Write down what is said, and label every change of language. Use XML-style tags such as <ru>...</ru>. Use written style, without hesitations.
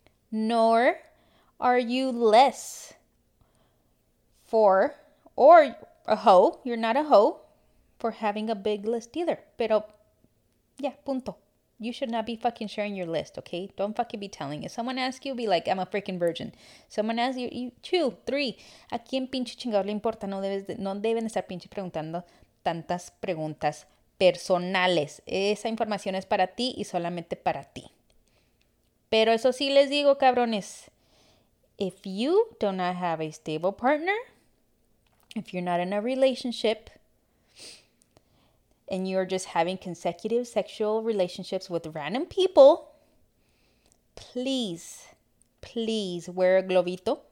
<en>Nor are you less for, or a hoe, you're not a hoe, for having a big list either. Pero, yeah, punto. You should not be fucking sharing your list, okay? Don't fucking be telling. If someone asks you, be like, I'm a freaking virgin. Someone asks you, two, three.</en> <es>¿A quién pinche chingado le importa? No deben estar pinche preguntando tantas preguntas personales. Esa información es para ti y solamente para ti. Pero eso sí les digo, cabrones,</es> <en>if you do not have a stable partner, if you're not in a relationship, and you're just having consecutive sexual relationships with random people, please, please wear a globito.</en>